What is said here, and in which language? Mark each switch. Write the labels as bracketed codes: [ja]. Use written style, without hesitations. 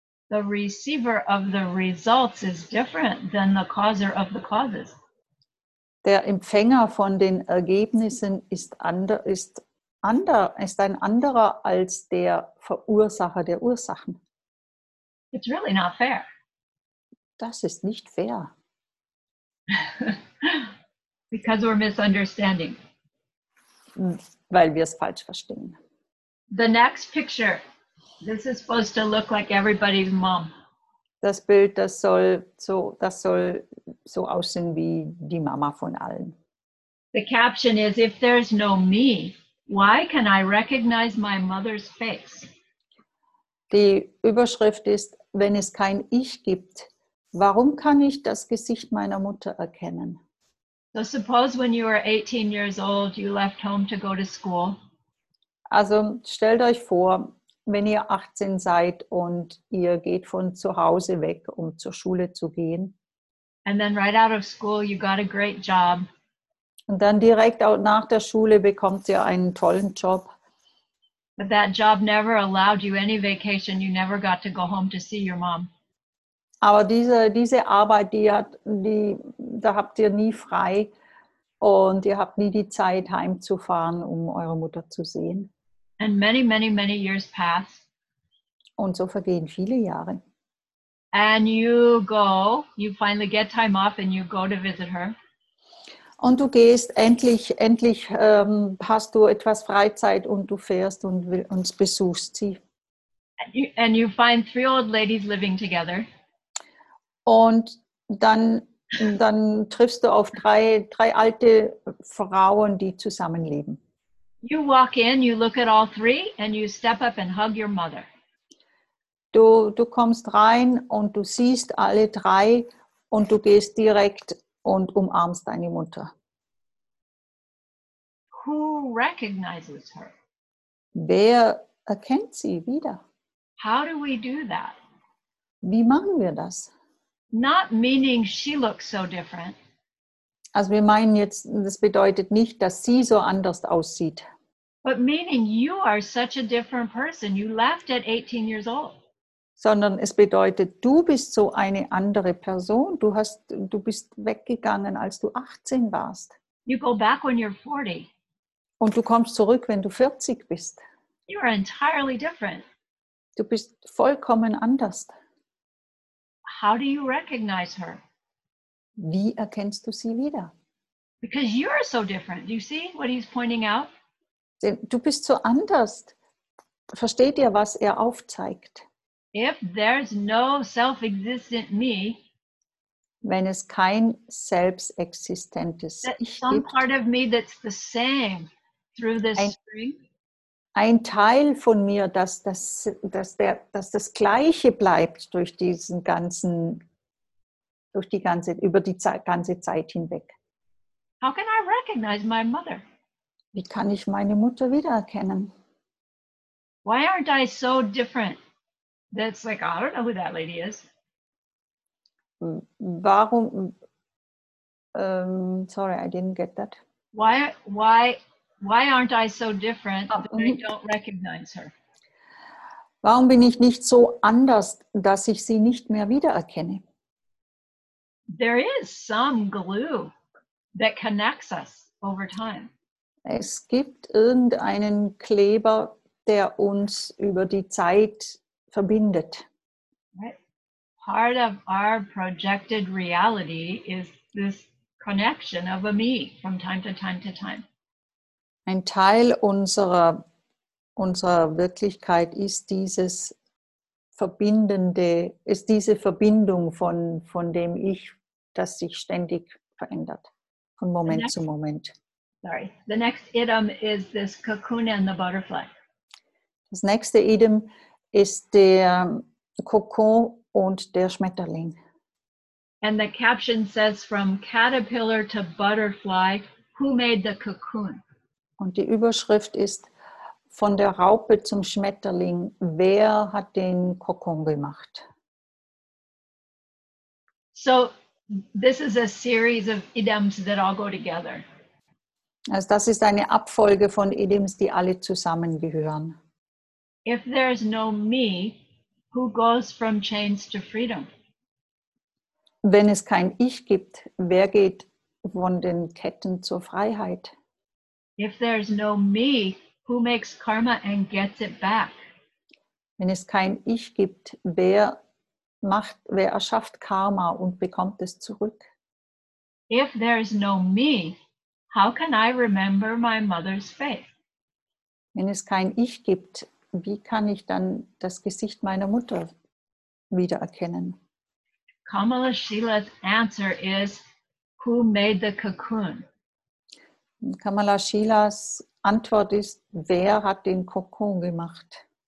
[en] The receiver of the results is different than the causer of the causes. [de] Der Empfänger von den Ergebnissen ist ein anderer als der Verursacher der Ursachen. [en] It's really not fair. [de] Das ist nicht fair. [en] Because we're misunderstanding. [de] Weil wir es falsch verstehen. [en] The next picture. This is supposed to look like everybody's mom. [de] Das Bild, das soll so aussehen wie die Mama von allen. [en] The caption is, if there's no me, why can I recognize my mother's face? [de] Die Überschrift ist, wenn es kein Ich gibt, warum kann ich das Gesicht meiner Mutter erkennen? [en] So suppose when you were 18 years old, you left home to go to school. [de] Also stellt euch vor, wenn ihr 18 seid und ihr geht von zu Hause weg, um zur Schule zu gehen. [en] And then right out of school, you got a great job. [de] Und dann direkt auch nach der Schule bekommt ihr einen tollen Job. [en] But that job never allowed you any vacation. You never got to go home to see your mom. [de] Aber diese Arbeit, da habt ihr nie frei und ihr habt nie die Zeit, heimzufahren, um eure Mutter zu sehen. [en] And many, many, many years pass. [de] Und so vergehen viele Jahre. [en] And you finally get time off and you go to visit her. [de] Und du gehst endlich hast du etwas Freizeit und du fährst und besuchst sie. [en] And you find three old ladies living together. [de] Und dann triffst du auf drei alte Frauen, die zusammenleben. [en] You walk in, you look at all three, and you step up and hug your mother. [de] Du kommst rein und du siehst alle drei und du gehst direkt und umarmst deine Mutter. [en] Who recognizes her? [de] Wer erkennt sie wieder? [en] How do we do that? [de] Wie machen wir das? [en] Not meaning she looks so different. [de] Also wir meinen jetzt, das bedeutet nicht, dass sie so anders aussieht. [en] But meaning you are such a different person. You left at 18 years old. [de] Sondern es bedeutet, du bist so eine andere Person. Du bist weggegangen, als du 18 warst. [en] You go back when you're 40. [de] Und du kommst zurück, wenn du 40 bist. [en] You are entirely different. [de] Du bist vollkommen anders. [en] How do you recognize her? [de] Wie erkennst du sie wieder? [en] Because you are so different. Do you see what he's pointing out? [de] Du bist so anders. Versteht ihr, was er aufzeigt? [en] If there's no self-existent me, [de] wenn es kein selbstexistentes Ich gibt, [en] some part of me that's the same through this spring, [de] ein Teil von mir, dass das Gleiche bleibt durch diesen ganzen, über die ganze Zeit hinweg. [en] How can I recognize my mother? [de] Wie kann ich meine Mutter wiedererkennen? [en] Why aren't I so different? That's like, I don't know who that lady is. [de] Warum? [en] Sorry, I didn't get that. Why aren't I so different that I don't recognize her? [de] Warum bin ich nicht so anders, dass ich sie nicht mehr wiedererkenne? [en] There is some glue that connects us over time. [de] Es gibt irgendeinen Kleber, der uns über die Zeit verbindet. [en] Right. Part of our projected reality is this connection of a me from time to time to time. [de] Ein Teil unserer Wirklichkeit ist dieses verbindende, ist diese Verbindung von dem Ich, das sich ständig verändert, von Moment zu Moment. [en] Sorry, the next item is this cocoon and the butterfly. [de] Das nächste Item ist der Kokon und der Schmetterling. [en] And the caption says, from caterpillar to butterfly, who made the cocoon? [de] Und die Überschrift ist, von der Raupe zum Schmetterling, wer hat den Kokon gemacht? [en] So, this is a series of idioms that all go together. [de] Also das ist eine Abfolge von Idioms, die alle zusammengehören. [en] If there is no me, who goes from chains to freedom? [de] Wenn es kein Ich gibt, wer geht von den Ketten zur Freiheit? [en] If there's no me, who makes karma and gets it back? [de] Wenn es kein Ich gibt, wer erschafft Karma und bekommt es zurück? [en] If there's no me, how can I remember my mother's face? [de] Wenn es kein Ich gibt, wie kann ich dann das Gesicht meiner Mutter wiedererkennen? [en] Kamala Shila's answer is, who made the cocoon? [de] Kamala Shilas Antwort ist, wer hat den Kokon gemacht?